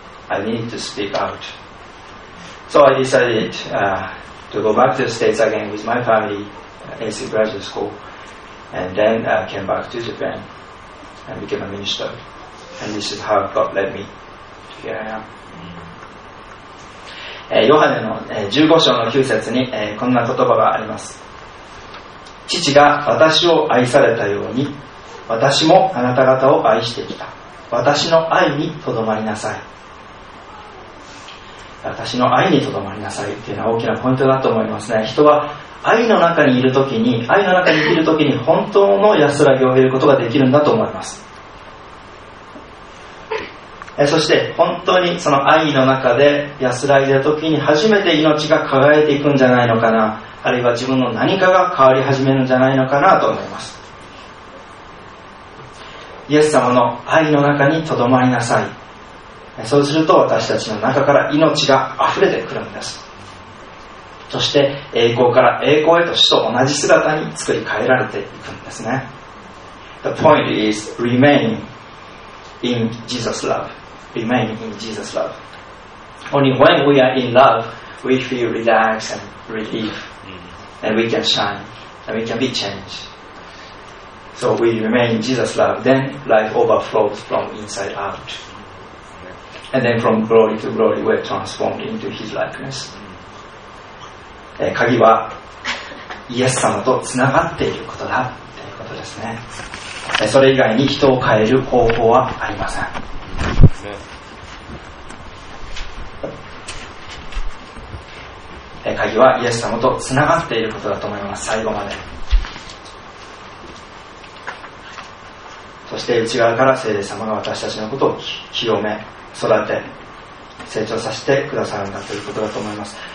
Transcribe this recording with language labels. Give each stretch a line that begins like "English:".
English: I needed to speak out. So I decided to go back to the States again with my family, AC graduate school,And then I came back to Japan and became a minister. And this is how God led me. Yeah.
Japanese: ヨハネの15章の9節にこんな言葉があります。父が私を愛されたように、私もあなた方を愛してきた。私の愛にとどまりなさい。私の愛にとどまりなさいというのは大きなポイントだと思いますね。人は愛の中にいるときに、愛の中に生きるときに本当の安らぎを得ることができるんだと思います。そして本当にその愛の中で安らいだときに、初めて命が輝いていくんじゃないのかな、あるいは自分の何かが変わり始めるんじゃないのかなと思います。イエス様の愛の中にとどまりなさい。そうすると私たちの中から命が溢れてくるんです。そして栄光から栄光へと主と同じ姿に作り変えられていくんですね。
English: The point is remainIn Jesus' love, remain in Jesus' love. Only when we are in love, we feel relaxed and relief, and we can shine, and we can be changed. So we remain in Jesus' love, then life overflows from inside out. And then from glory to glory, we're transformed into His likeness.
Japanese: 鍵はイエス様とつながっていることだということですね。それ以外に人を変える方法はありません。鍵はイエス様とつながっていることだと思います。最後まで、そして内側から聖霊様が私たちのことを清め、育て、成長させてくださるんだということだと思います。